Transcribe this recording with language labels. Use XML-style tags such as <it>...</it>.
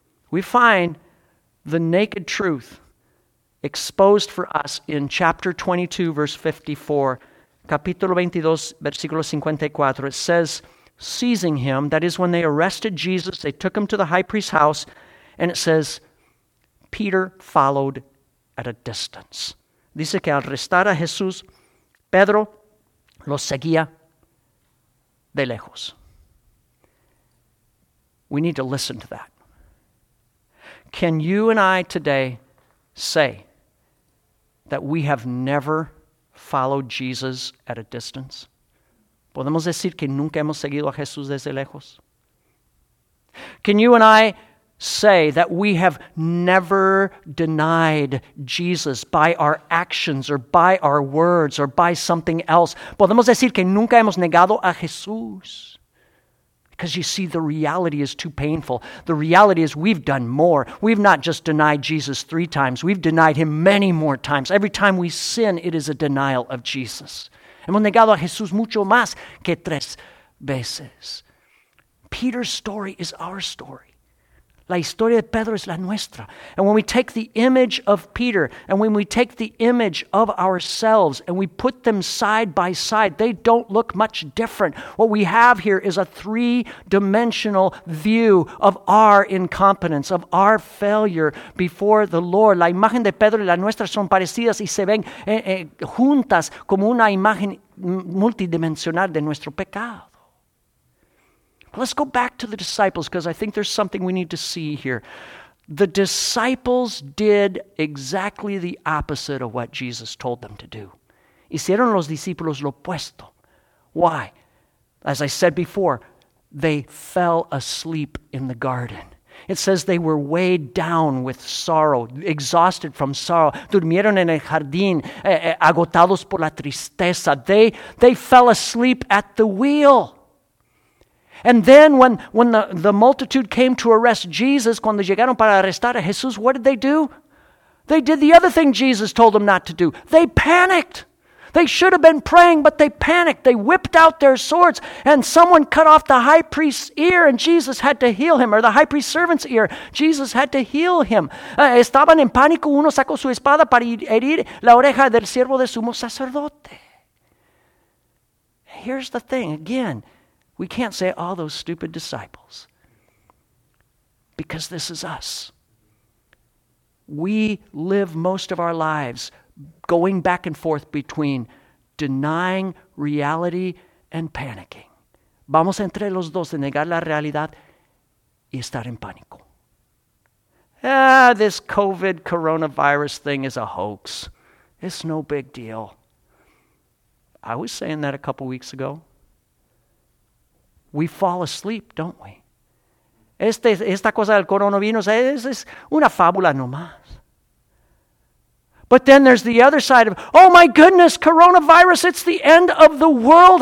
<en>We find the naked truth exposed for us in chapter 22, verse 54.</en> <es>Capítulo 22, versículo 54.</es> <en>It says, seizing him. That is when they arrested Jesus. They took him to the high priest's house. And it says, Peter followed at a distance.</en> <es>Dice que al arrestar a Jesús, Pedro lo seguía de lejos.</es> <en>We need to listen to that. Can you and I today say that we have never followed Jesus at a distance?</en> <es>¿Podemos decir que nunca hemos seguido a Jesús desde lejos?</es> <en>Can you and I say that we have never denied Jesus by our actions or by our words or by something else?</en> <es>¿Podemos decir que nunca hemos negado a Jesús?</es> <en>Because you see, the reality is too painful. The reality is we've done more. We've not just denied Jesus three times. We've denied him many more times. Every time we sin, it is a denial of Jesus.</en> <es>Hemos negado a Jesús mucho más que tres veces.</es> <en>Peter's story is our story.</en> <es>La historia de Pedro es la nuestra.</es> <en>And when we take the image of Peter, and when we take the image of ourselves, and we put them side by side, they don't look much different. What we have here is a three-dimensional view of our incompetence, of our failure before the Lord.</en> <es>La imagen de Pedro y la nuestra son parecidas y se ven juntas como una imagen multidimensional de nuestro pecado.</es> <en>Let's go back to the disciples because I think there's something we need to see here. The disciples did exactly the opposite of what Jesus told them to do.</en> <es>Hicieron los discípulos lo opuesto.</es> <en>Why? As I said before, they fell asleep in the garden. It says they were weighed down with sorrow, exhausted from sorrow.</en> <es>Durmieron en el jardín, agotados por la tristeza.</es> <en>They fell asleep at the wheel. And then when the multitude came to arrest Jesus,</en> <es>cuando llegaron para arrestar a Jesús,</es> <en>what did they do? They did the other thing Jesus told them not to do. They panicked. They should have been praying, but they panicked. They whipped out their swords, and someone cut off the high priest's ear, and Jesus had to heal him, or the high priest's servant's ear. Jesus had to heal him.</en> <es>Estaban en pánico. Uno sacó su espada para herir la oreja del siervo del sumo sacerdote.</es> <en>Here's the thing. Again, we can't say all those stupid disciples, because this is us. We live most of our lives going back and forth between denying reality and panicking.</en> <es>Vamos entre los dos, de negar la realidad y estar en pánico.</es> <en>Ah, this COVID coronavirus thing is a hoax. It's no big deal. I was saying that a couple weeks ago. We fall asleep, don't we?</en> <es>Esta cosa del coronavirus es una fábula nomás.</es> <en>But then there's the other side of, oh my goodness, coronavirus, it's the end of the world.</en>